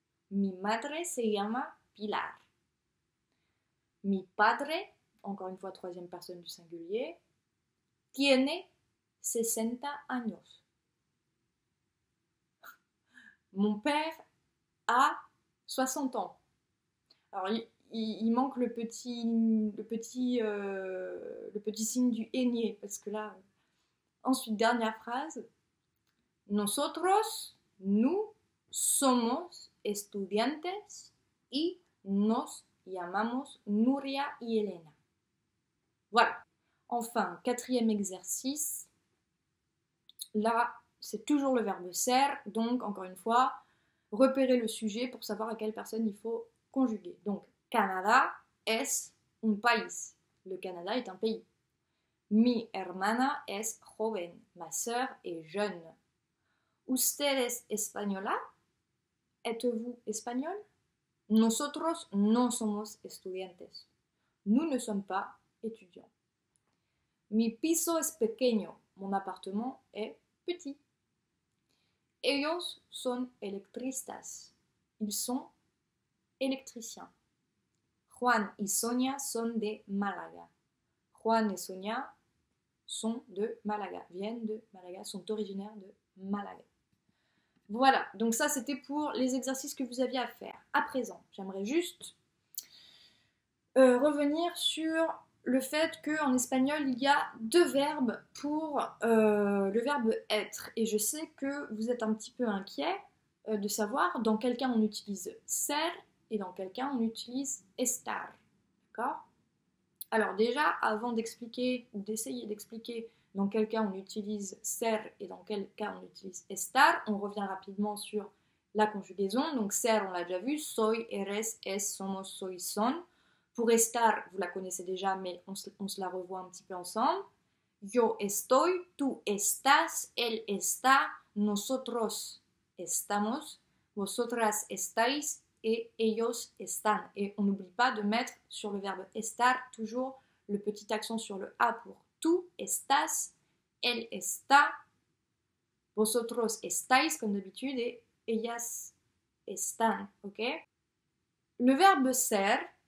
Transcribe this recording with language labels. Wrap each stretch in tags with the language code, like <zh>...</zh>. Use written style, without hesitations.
<es>Mi madre se llama Pilar. Mi padre,</es> <fr>encore une fois troisième personne du singulier,</fr> <es>tiene 60 años.</es> <fr>Mon père a 60 ans. Alors, il manque le petit signe du aîné, parce que là... Ensuite, dernière phrase.</fr> <es>Nosotros, nous, somos estudiantes y nos llamamos Nuria y Elena.</es> <fr>Voilà. Enfin, quatrième exercice. Là, c'est toujours le verbe ser, donc, encore une fois, repérer le sujet pour savoir à quelle personne il faut conjuguer. Donc,</fr> <es>Canada es un país.</es> <fr>Le Canada est un pays.</fr> <es>Mi hermana es joven.</es> <fr>Ma sœur est jeune.</fr> <es>Usted es española?</es> <fr>Êtes-vous espagnol?</fr> <es>Nosotros no somos estudiantes.</es> <fr>Nous ne sommes pas étudiants.</fr> <es>Mi piso es pequeño.</es> <fr>Mon appartement est petit.</fr> <es>Ellos son electricistas.</es> <fr>Ils sont électriciens.</fr> <es>Juan y Sonia son de Malaga.</es> <fr>Juan y Sonia sont de Malaga, viennent de Malaga, sont originaires de Malaga. Voilà, donc ça c'était pour les exercices que vous aviez à faire. À présent, j'aimerais juste revenir sur le fait qu'en espagnol, il y a deux verbes pour le verbe être. Et je sais que vous êtes un petit peu inquiet de savoir dans quel cas on utilise ser et dans quel cas on utilise estar. D'accord ? Alors déjà, avant d'expliquer ou d'essayer d'expliquer dans quel cas on utilise ser et dans quel cas on utilise estar, on revient rapidement sur la conjugaison. Donc ser, on l'a déjà vu,</fr> <es>soy, eres, es, somos, soy, son.</es> <fr>Pour estar, vous la connaissez déjà, mais on se la revoit un petit peu ensemble.</fr> <es>Yo estoy, tú estás, él está, nosotros estamos, vosotras estáis et ellos están.</es> <fr>Et on n'oublie pas de mettre sur le verbe estar toujours le petit accent sur le A pour</fr> <es>tú estás, él está, vosotros estáis,</es> <fr>comme d'habitude, et ellas están, ok? Le verbe ser...</fr>